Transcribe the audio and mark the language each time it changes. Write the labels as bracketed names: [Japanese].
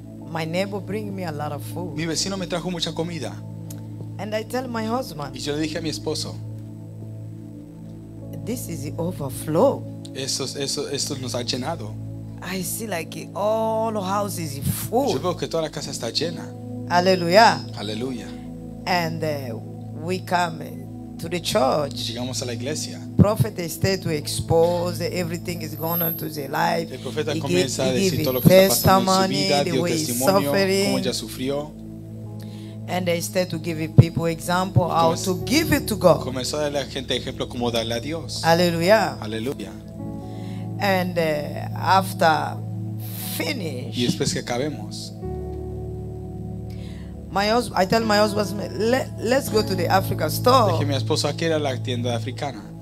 [English] My neighbor bring me a lot of food. [Spanish] Mi vecino me trajo mucha comida. [English] And I tell my husband. [Spanish] Y yo le dije a mi esposo. [English] This is the overflow. [Spanish] Esto nos ha llenado. [English] I see like all the houses is full. [Spanish] Yo veo que toda la casa está llena. [English] Hallelujah. Hallelujah. And we come to the church. [Spanish] Y llegamos a la iglesia. [English] Prophet stay to expose everything is going on to their life. [Spanish] El profeta comienza a decir todo lo que está pasando en su vida, dio testimonio, [English] suffering, [Spanish] cómo ella sufrió. [English] And they stay to give people example how to give it to God. [Spanish] Comenzó a darle a gente ejemplo cómo darle a Dios. [English] Hallelujah. Hallelujah. And after finish. [Spanish] Y después que acabemos. [English] I tell my husband, let's go to the Africa store. [Spanish] Dije mi esposo, aquí era la tienda africana.